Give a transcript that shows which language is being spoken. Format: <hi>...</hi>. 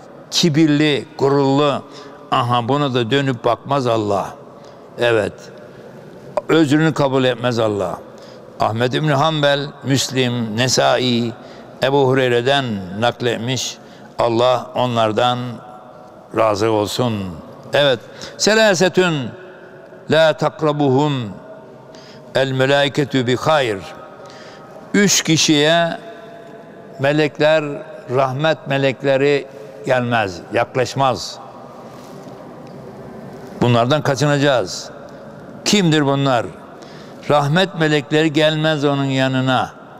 <tr>Kibirli, gururlu. Aha, buna da dönüp bakmaz Allah. Evet. Özrünü kabul etmez Allah. Ahmed İbn Hanbel, Müslim, Nesai, Ebu Hureyre'den nakletmiş. Allah onlardan razı olsun. Evet.</tr> <ar>Selasetün la takrabuhum el melaiketü bi hayr.</ar> <tr>3 kişiye melekler, rahmet melekleri gelmez, yaklaşmaz. Bunlardan kaçınacağız. Kimdir bunlar? Rahmet melekleri gelmez onun yanına.</tr>